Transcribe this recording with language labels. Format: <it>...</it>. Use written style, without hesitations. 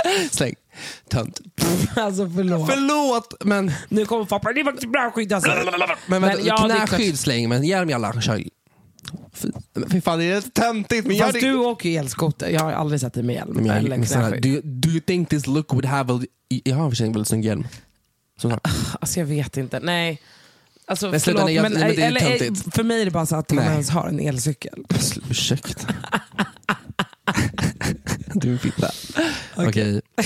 <sv>Släng. Tönt. Alltså förlåt. Förlåt, men nu kommer pappa. Det är faktiskt bra skydd alltså. Men vänta, ja, knäskydd släng, men hjälm jalla. Fy fan, det är ett töntigt. Fast du åker elskoter. Jag har aldrig sett dig med hjälm.</sv> <en>Do you think this look would have a...</en> <sv>Jag har en försäkring väldigt snygg hjälm. Alltså jag vet inte. Nej. Alltså, men förlåt, sluta, men det är eller, töntigt. För mig är det bara så att han ens har en elcykel. Ursäkta. Du är fitta. Okej.</sv>